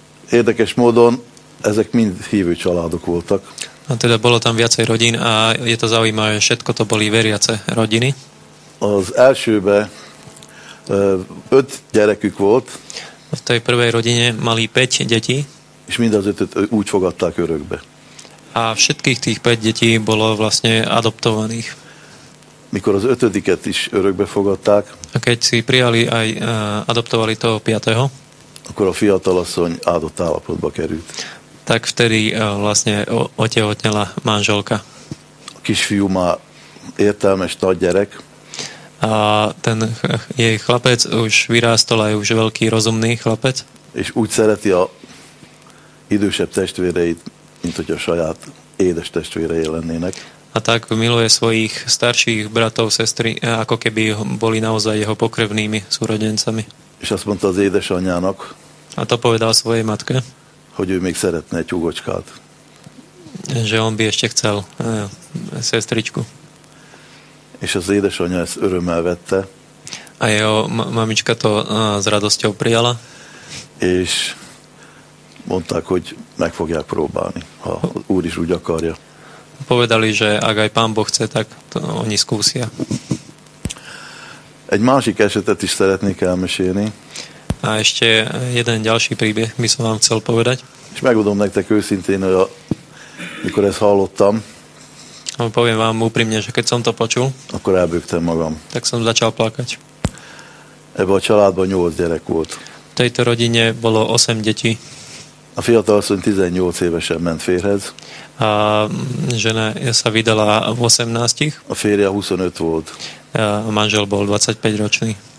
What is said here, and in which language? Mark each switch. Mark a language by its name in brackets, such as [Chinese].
[Hungarian] Érdekes módon ezek mind hívő családok voltak. [Slovak] A teda bolo tam viacej rodín a je to zaujímavé, všetko to boli veriace rodiny. [Hungarian] Az elsőbe öt gyerekük volt. [Slovak] V tej prvej rodine mali 5 detí. [Hungarian] És mind az ötöt úgy fogadták örökbe. [Slovak] A všetkých tých 5 detí bolo vlastne adoptovaných. [Hungarian] Mikor az ötödiket is örökbe fogadták. [Slovak] A keď si prijali aj adoptovali toho 5. [Hungarian] Akkor a fiatalasszony áldott állapotba került. [Slovak] Tak vtedy vlastne otehotnela manželka. [Hungarian] A kisfiú má értelmes nagy gyerek. [Slovak] A ten jej chlapec už vyrástol, aj už veľký rozumný chlapec. [Hungarian] És úgy szereti a idősebb testvéreit, mint hogy a saját édes testvérei lennének. [Slovak] A tak miluje svojich starších bratov, sestry, ako keby boli naozaj jeho pokrevnými súrodencami. [Hungarian] És azt mondta az édesanyjának. [Slovak] A to povedal svojej matke. [Hungarian] Hogy ő még szeretne egy húgocskát. [Slovak] Že on by ešte chcel sestričku. [Hungarian] És az édesanyja ezt örömmel vette. [Slovak] A jeho mamička to s radosťou prijala. [Hungarian] És mondták, hogy meg fogják próbálni, ha Úr is úgy akarja. [Slovak] Povedali, že ak aj Pán Boh chce, tak to oni skúsia. [Hungarian] Egy másik esetet is szeretnék elmesélni. [Slovak] A ešte jeden ďalší príbeh by som vám chcel povedať. [Hungarian] És megmondom nektek őszintén, hogy mikor ezt hallottam, [Slovak] poviem vám úprimne, že keď som to počul, [Hungarian] akkor elbüktem magam. [Slovak] Tak som začal plakať. [Hungarian] Ebben a családban 8 gyerek volt. [Slovak] V tejto rodine bolo 8 detí. [Hungarian] A fiatalasszony 18 évesen ment férhez. [Slovak] A žena sa vydala v 18. [Hungarian] A férje 25 volt. [Slovak] A manžel bol 25 ročný.